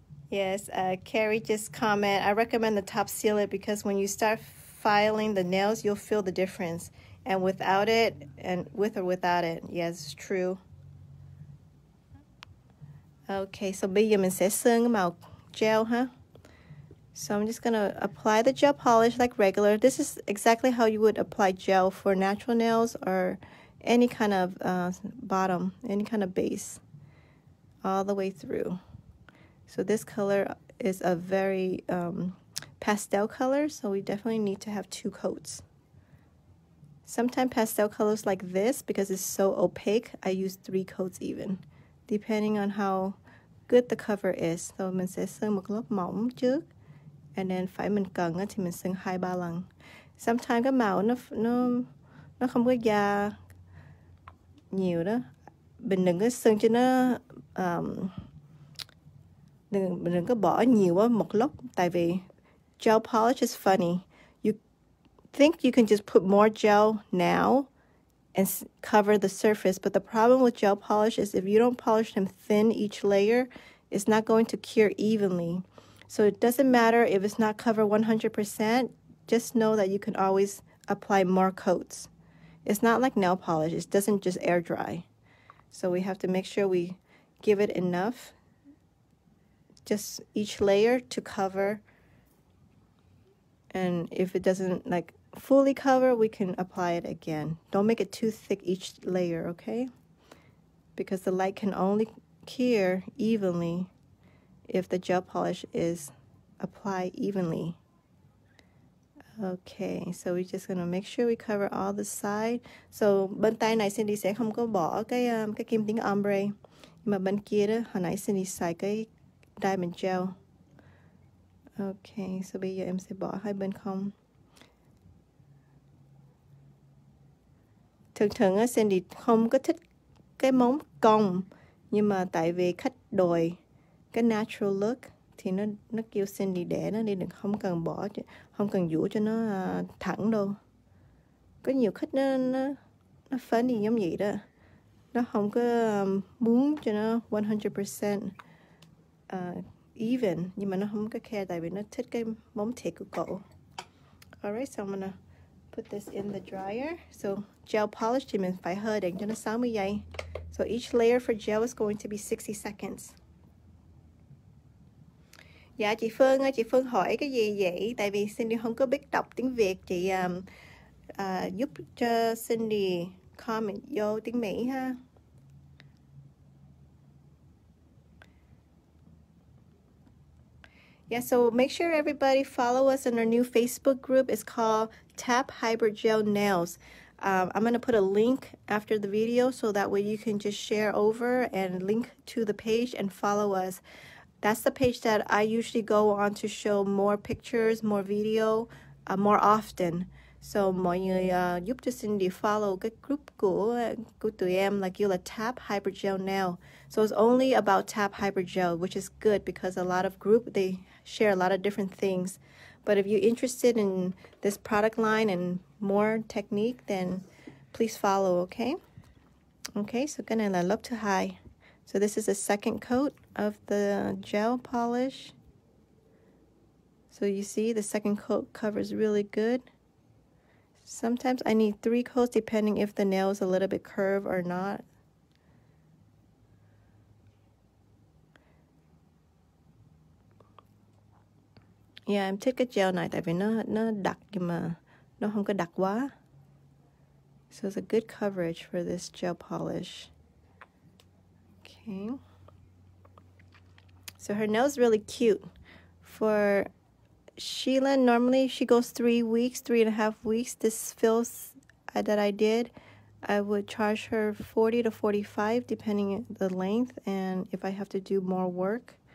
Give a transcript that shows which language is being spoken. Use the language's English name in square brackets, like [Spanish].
[English] Yes, Carrie just commented, I recommend the top seal it because when you start filing the nails, you'll feel the difference. And without it, and with or without it, yes, true. [Vietnamese] Okay, so bây giờ mình sẽ sơn màu gel, huh? [English] So I'm just gonna apply the gel polish like regular. This is exactly how you would apply gel for natural nails or any kind of bottom, any kind of base, all the way through. So this color is a very pastel color, so we definitely need to have two coats. Sometimes pastel colors like this, because it's so opaque, I use three coats even, depending on how good the cover is. [Vietnamese] So mình sẽ sơn một lớp mỏng trước. And then phải mình cần thì mình sơn 2-3 lần. Sometimes cái màu nó không có da nhiều đó. Mình đừng có sơn cho nó... đừng có bỏ nhiều quá một lúc. [English] Tại vì gel polish is funny. You think you can just put more gel now and cover the surface. But the problem with gel polish is if you don't polish them thin each layer, it's not going to cure evenly. So it doesn't matter if it's not covered 100%. Just know that you can always apply more coats. It's not like nail polish. It doesn't just air dry. So we have to make sure we give it enough, just each layer to cover. And if it doesn't like fully cover, we can apply it again. Don't make it too thick each layer, okay? Because the light can only cure evenly if the gel polish is applied evenly. Okay, so we're just gonna make sure we cover all the side. [Vietnamese] So bên tay này Cindy sẽ không có bỏ cái kim tuyến ombre, mà bên kia đó hồi nãy Cindy xài cái diamond gel. Okay, so bây giờ em sẽ bỏ hai bên không. Thường thường á Cindy không có thích cái móng cong, nhưng mà tại vì khách đòi cái natural look thì nó kêu Cindy để nó đi, đừng không cần bỏ, không cần vuốt cho nó thẳng đâu. Có nhiều khách nó funny giống vậy đó. Nó không có muốn cho nó 100% even, nhưng mà nó không có care tại vì nó thích cái móng thịt của cậu. [English] Alright, so I'm gonna put this in the dryer. So gel polish thì mình phải hơi để cho nó 60 giây. So each layer for gel is going to be 60 seconds. [Vietnamese] Dạ chị Phương ơi, chị Phương hỏi cái gì vậy? Tại vì Cindy không có biết đọc tiếng Việt, chị giúp cho Cindy comment vô tiếng Mỹ ha. [English] Yeah, so make sure everybody follow us in our new Facebook group. It's called Tap Hybrid Gel Nails. I'm going to put a link after the video so that way you can just share over and link to the page and follow us. That's the page that I usually go on to show more pictures, more video, more often. [Vietnamese] So mọi người giúp cho Cindy follow cái group của tụi em là kêu là Tap Hybrid Gel Nail. [English] So it's only about Tap Hybrid Gel, which is good because a lot of group, they share a lot of different things. But if you're interested in this product line and more technique, then please follow, okay? [Vietnamese] Okay, so cái này là lớp thứ hai. [English] So this is the second coat of the gel polish. So you see the second coat covers really good. Sometimes I need three coats depending if the nail is a little bit curved or not. [Vietnamese] Yeah, em thích cái gel này tại vì nó đặc nhưng mà nó không có đặc quá. [English] So it's a good coverage for this gel polish. Okay. So her nail is really cute. For Sheila, normally she goes 3 weeks, 3.5 weeks. This fills that I did, I would charge her 40 to 45 depending on the length and if I have to do more work.